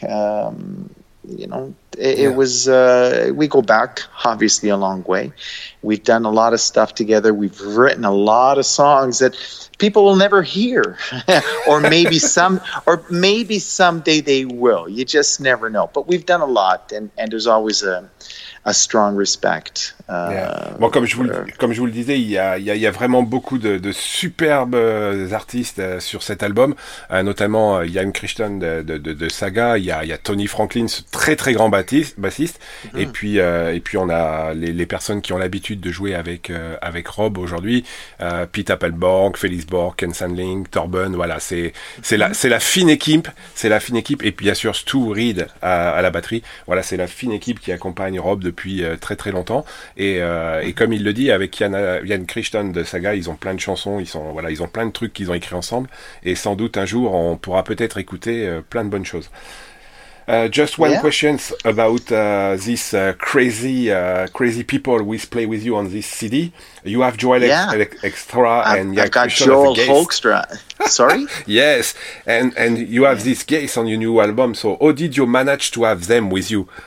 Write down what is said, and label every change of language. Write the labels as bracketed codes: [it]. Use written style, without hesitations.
[en] You know, we go back obviously a long way. We've done a lot of stuff together. We've written a lot of songs that people will never hear, or maybe someday they will. You just never know. But we've done a lot, and there's always a strong respect. [fr] Bon, comme je vous le disais, il y a vraiment beaucoup de superbes artistes sur cet album, notamment Ian Christian de Saga, il y a Tony Franklin, ce très très grand bassiste, mm-hmm. et puis on a les personnes qui ont l'habitude de jouer avec Rob aujourd'hui, Pete Appenborg, Felix Borg, Ken Sandling, Torben, voilà, c'est la fine équipe, et puis bien sûr Stu Reed à la batterie, voilà, c'est la fine équipe qui accompagne Rob depuis très très longtemps. Et comme il le dit, avec Jan Christian de Saga, ils ont plein de chansons, ils ont plein de trucs qu'ils ont écrits ensemble, et sans doute un jour on pourra peut-être écouter plein de bonnes choses. [en] Just one question about this crazy people who play with you on this CD. You have Joel Extra and Jan Christian. I've got Joel Hoekstra. Sorry? Yes, and you have this guest on your new album, so how did you manage to have them with you?